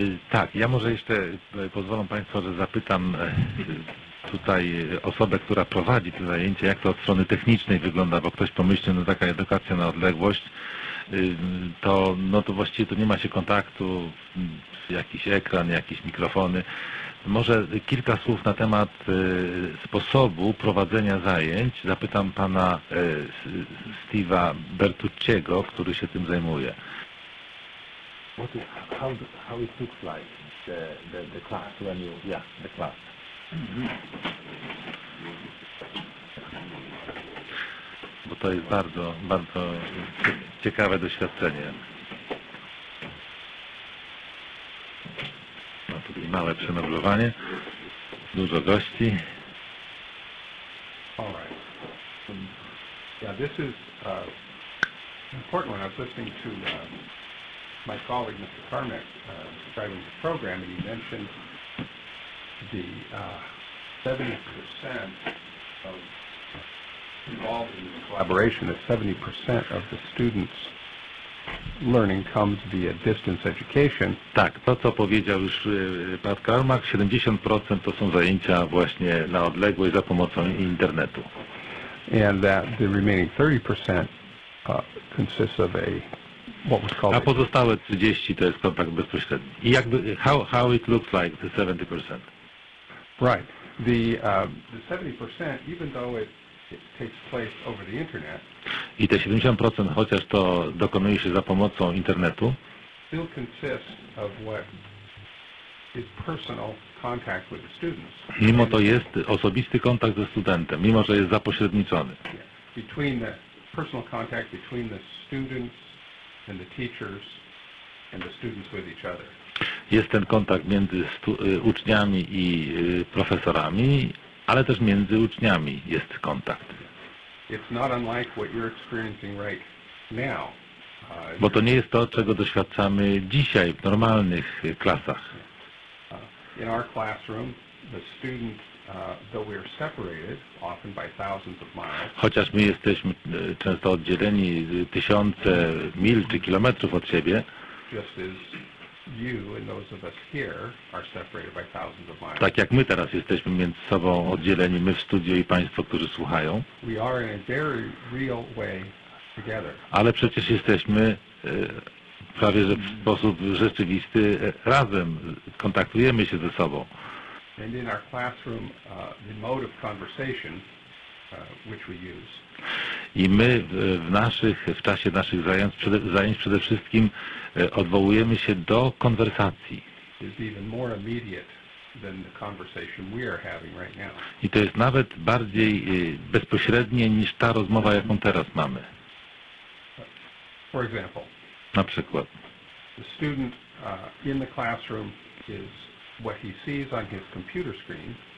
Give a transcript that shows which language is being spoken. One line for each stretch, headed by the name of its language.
Polish: Tak, ja może jeszcze pozwolą Państwo, że zapytam tutaj osobę, która prowadzi to zajęcie, jak to od strony technicznej wygląda, bo ktoś pomyślał, no taka edukacja na odległość, to no to właściwie to nie ma się kontaktu, jakiś ekran, jakieś mikrofony. Może kilka słów na temat sposobu prowadzenia zajęć. Zapytam pana Steve'a Bertucciego, który się tym zajmuje.
English: What is, how it looks like the class when you, yeah, the class.
Polish: Bo to jest bardzo, bardzo ciekawe doświadczenie. No tutaj małe przemeblowanie, dużo gości.
English: All right. Yeah, this is important when I was listening to my colleague Mr. Carmack describing the program, and he mentioned the 70% of involved in this collaboration, that 70% of the students' learning comes via distance education.
Polish: Tak, to co powiedział już Pat Carmack, 70% to są zajęcia właśnie na odległość za pomocą internetu.
English: And that the remaining 30% consists of a what was called.
Polish: A pozostałe 30% to jest kontakt bezpośredni. I jakby
English: how it looks like the 70%. Right. The 70%, even though it takes place over the internet.
Polish: I te 70%, chociaż to dokonuje się za pomocą internetu,
English: still consists of what is personal contact with the students.
Polish: Mimo to jest osobisty kontakt ze studentem, mimo że jest zapośredniczony.
English: Yeah. Between the personal contact between the students and the teachers and the students with each other.
Polish: Jest ten kontakt między uczniami i profesorami, ale też między uczniami jest kontakt.
English: It's not unlike what you're experiencing right now.
Polish: Bo to nie jest to, czego doświadczamy dzisiaj w normalnych klasach.
English: In our classroom, the students, though we are separated, often by thousands of miles.
Polish: Chociaż my jesteśmy często oddzieleni tysiące mil czy kilometrów od siebie,
English: just as you and those of us here are separated by thousands of miles.
Polish: Tak jak my teraz jesteśmy między sobą oddzieleni, my w studiu i państwo, którzy słuchają.
English: We are in a very real way together.
Polish: Ale przecież jesteśmy prawie że w sposób rzeczywisty razem, kontaktujemy się ze sobą.
English: And in our classroom, the mode of conversation, which we use.
Polish: I my w czasie naszych zajęć przede wszystkim odwołujemy się do konwersacji.
English: Is even more immediate than the conversation we are having right now.
Polish: I to jest nawet bardziej bezpośrednie niż ta rozmowa, jaką teraz mamy.
English: For example.
Polish: Na przykład.
English: The student in the classroom is what he sees on his computer screen.